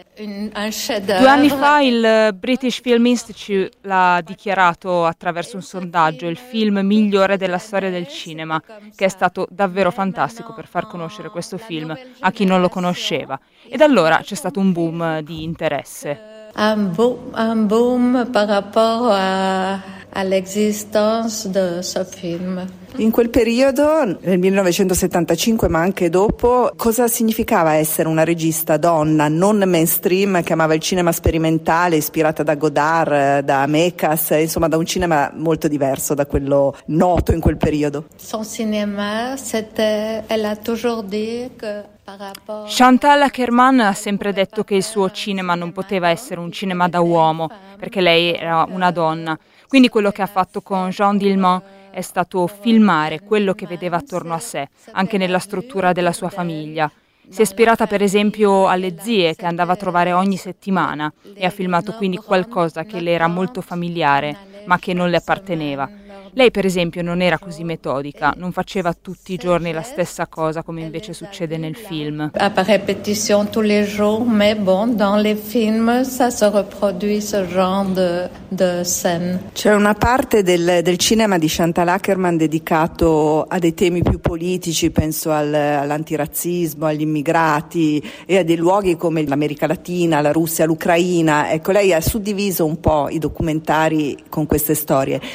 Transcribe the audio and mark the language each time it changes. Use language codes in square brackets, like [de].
[it] Due anni fa il British Film Institute l'ha dichiarato attraverso un sondaggio il film migliore della storia del cinema, che è stato davvero fantastico per far conoscere questo film a chi non lo conosceva. E da allora c'è stato un boom di interesse. [fr] un boom par rapport all'existence de ce film. [it] In quel periodo, nel 1975 ma anche dopo, cosa significava essere una regista donna non mainstream che amava il cinema sperimentale, ispirata da Godard, da Mekas, insomma da un cinema molto diverso da quello noto in quel periodo? [fr] Son cinéma, elle a toujours dit que... [it] Chantal Ackerman ha sempre detto che il suo cinema non poteva essere un cinema da uomo, perché lei era una donna. Quindi quello che ha fatto con Jean Dilmont è stato filmare quello che vedeva attorno a sé, anche nella struttura della sua famiglia. Si è ispirata per esempio alle zie che andava a trovare ogni settimana e ha filmato quindi qualcosa che le era molto familiare, ma che non le apparteneva. Lei, per esempio, non era così metodica, non faceva tutti i giorni la stessa cosa come invece succede nel film. [fr] A répétition tous les jours, mais bon, dans les films ça se reproduit ce genre de scène. [it] C'è una parte del cinema di Chantal Ackerman dedicato a dei temi più politici, penso all'antirazzismo, agli immigrati e a dei luoghi come l'America Latina, la Russia, l'Ucraina. Ecco, lei ha suddiviso un po' i documentari con queste storie.